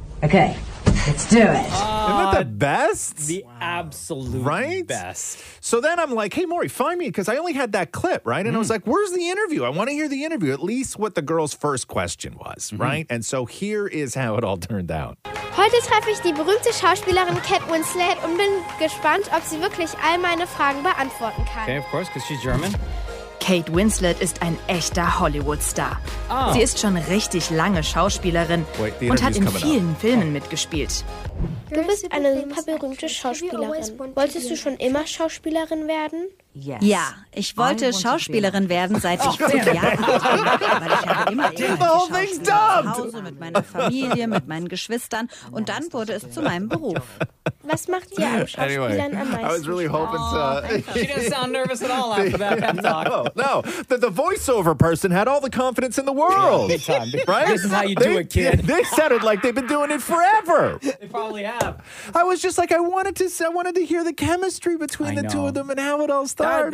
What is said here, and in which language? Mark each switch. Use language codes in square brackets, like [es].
[en] Okay. Let's do it. Isn't that the best? The wow. absolute right? best. So then I'm like, hey, Maury, find me, because I only had that clip, right? And I was like, where's the interview? I want to hear the interview, at least what the girl's first question was, right? And so here is how it all turned out. [de] Heute treffe ich die berühmte Schauspielerin Kate Winslet und bin gespannt, ob sie wirklich all meine Fragen beantworten kann. [en] Okay, of course, because she's German. [de] Kate Winslet ist ein echter Hollywood-Star. Oh. Sie ist schon richtig lange Schauspielerin und hat in vielen Filmen mitgespielt. Du bist eine super berühmte Schauspielerin. Wolltest du schon immer Schauspielerin werden? [en] Yes. [de] Ja, ich wollte Schauspielerin werden, seit ich 5 Jahre alt bin, weil ich habe immer ehrliche Schauspielerin zu Hause mit meiner Familie, mit meinen Geschwistern und dann wurde es zu meinem Beruf. Was macht dir am Schauspielern am meisten? [en] I was really hoping to... She didn't sound nervous at all after that talk. No, the voiceover person had all the confidence in the world. Right? This is how you do it, kid. They sounded like they've been doing it forever. They probably have. I was just like, I wanted to hear the chemistry between the two of them and how it all started.